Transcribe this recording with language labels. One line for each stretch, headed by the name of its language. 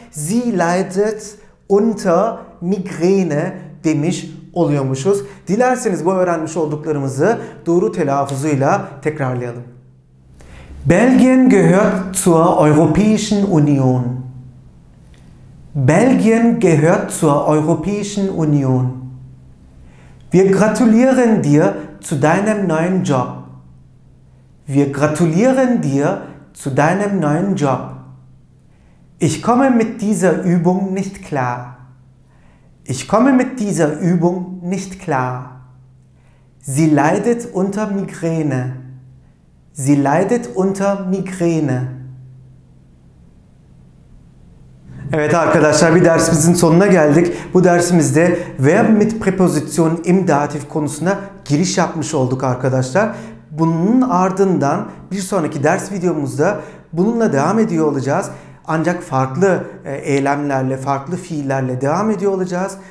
German: Sie leidet unter Migräne
Turkish: demiş oluyormuşuz. Dilerseniz bu öğrenmiş olduklarımızı doğru telaffuzuyla tekrarlayalım.
German: Belgien gehört zur Europäischen Union. Belgien gehört zur Europäischen Union. Wir gratulieren dir zu deinem neuen Job. Wir gratulieren dir zu deinem neuen Job. Ich komme mit dieser Übung nicht klar. Ich komme mit dieser Übung nicht klar. Sie leidet unter Migräne. Sie leidet unter Migräne.
Turkish: Evet arkadaşlar, bir dersimizin sonuna geldik. Bu dersimizde
German: Verb mit Präposition im Dativ
Turkish: konusunda giriş yapmış olduk arkadaşlar. Bunun ardından bir sonraki ders videomuzda bununla devam ediyor olacağız. Ancak farklı eylemlerle, farklı fiillerle devam ediyor olacağız.